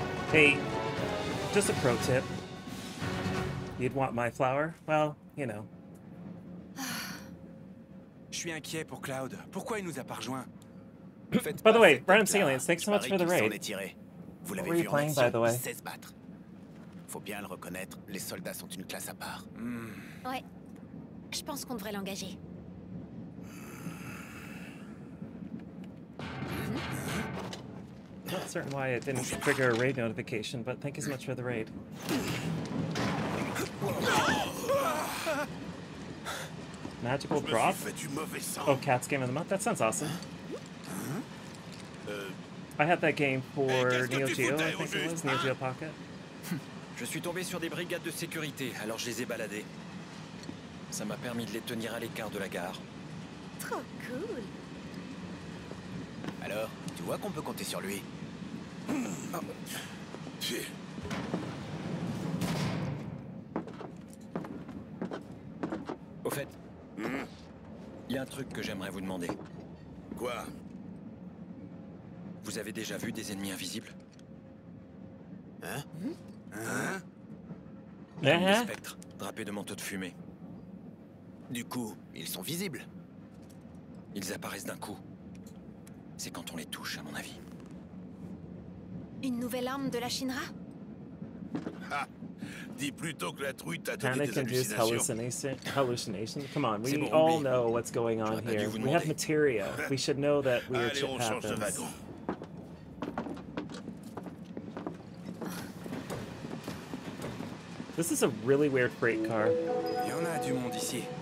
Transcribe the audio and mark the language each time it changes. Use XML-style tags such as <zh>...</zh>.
<en>Hey, just a pro tip. You'd want my flower? Well, you know.</en> <fr>Je suis inquiet pour Cloud. Pourquoi il nous a pas rejoint?</fr> <en>By the way, Brandon Salience, thanks so much for the raid.</en> <fr>Vous l'avez vu en action, sait se battre. Faut bien le reconnaître, les soldats sont une classe à part. Ouais. Je pense qu'on devrait l'engager.</fr> <en>Not certain why it didn't trigger a raid notification, but thank you so much for the raid. Magical drop? Oh, Cat's Game of the Month? That sounds awesome. I had that game for Neo Geo, I think it was. Neo Geo Pocket.</en> <fr>Je suis tombé sur des brigades de sécurité, alors je les ai baladées. Ça m'a permis de les tenir à l'écart de la gare. Trop cool. Alors, tu vois qu'on peut compter sur lui. Au fait, il y a un truc que j'aimerais vous demander. Quoi? Vous avez déjà vu des ennemis invisibles? Hein? Hein? Des spectres, drapés de manteaux de fumée. Du coup, ils sont visibles? Ils apparaissent d'un coup. C'est quand on les touche, à mon avis. Une nouvelle arme de la Shinra? Dis plutôt que la truite a donné des hallucinations. Hallucination?</fr> <en>Come on, we all know what's going on here. We have materia. We should know that weird shit happens. This is a really weird freight car.</en> <fr>Il y en a du monde ici.</fr>